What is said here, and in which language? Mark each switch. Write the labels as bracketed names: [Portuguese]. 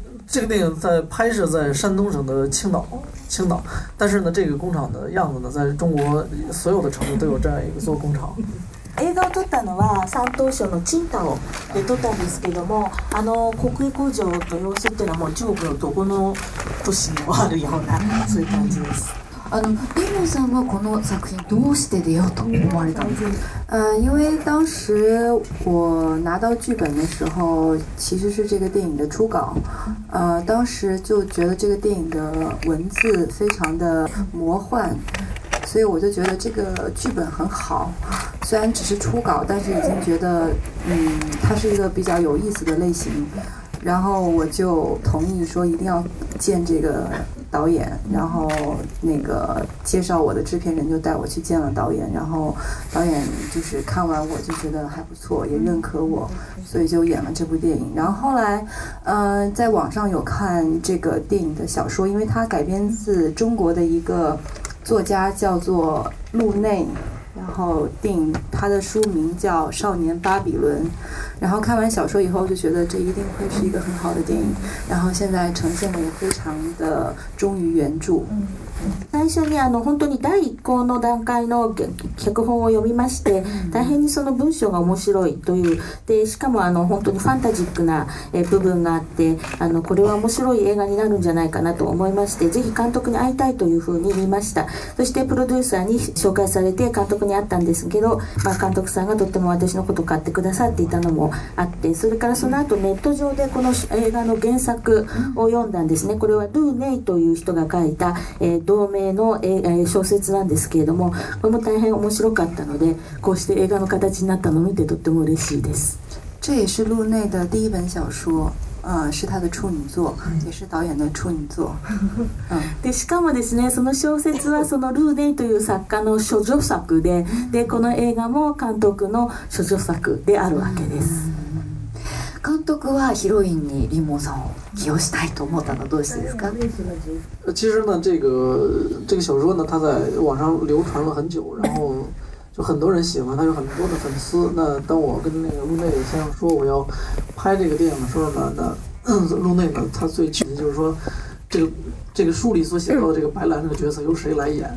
[Chinese] 这个电影在拍摄在山东省的青岛，但是呢，这个工厂的样子呢，在中国所有的城市都有这样一个做工厂。 [Japanese] 映画を撮ったのは山東省の青島で撮ったんですけども、国営工場の様子っていうのはもう中国のどこの都市にもあるようなそういう感じです。李某さんはこの作品どうして出ようと思われたんですか。 [Chinese] 因为当时我拿到剧本的时候其实是这个电影的初稿，当时就觉得这个电影的文字非常的魔幻，所以我就觉得这个剧本很好，虽然只是初稿，但是已经觉得，它是一个比较有意思的类型。然后我就同意说一定要见这个导演，然后那个介绍我的制片人就带我去见了导演，然后导演就是看完我就觉得还不错，也认可我，所以就演了这部电影。然后后来，在网上有看这个电影的小说，因为它改编自中国的一个作家叫做陆内，然后电影他的书名叫《少年巴比伦》，然后看完小说以后就觉得这一定会是一个很好的电影，然后现在呈现的也非常的忠于原著。 [Japanese] 最初に本当に第一稿の段階の脚本を読みまして、大変にその文章が面白いという、でしかも本当にファンタジックな部分があって、これは面白い映画になるんじゃないかなと思いまして、ぜひ監督に会いたいというふうに言いました。そしてプロデューサーに紹介されて監督に会ったんですけど、監督さんがとっても私のことを買ってくださっていたのもあって、それからその後ネット上でこの映画の原作を読んだんですね。これはドゥ・ネイという人が書いた、同名の、小説なんですけれども、これも大変面白かったので、こうして映画の形になったのを見てとっても嬉しいです。 [Chinese] 这也是路内的第一本小说，是他的处女作，也是导演的处女作。 [Japanese] でしかもですね、その小説はそのルーネイという作家の処女作で、でこの映画も監督の処女作であるわけです。監督はヒロインにリモさんを起用したいと思ったのはどうしてですか？ [Chinese] 其实呢，这个小说呢，它在网上流传了很久，然后。就很多人喜欢他，有很多的粉丝。那当我跟那个路内先生说我要拍这个电影的时候呢，那路内呢，他最气的就是说，这个书里所写到的这个白兰这个角色由谁来演？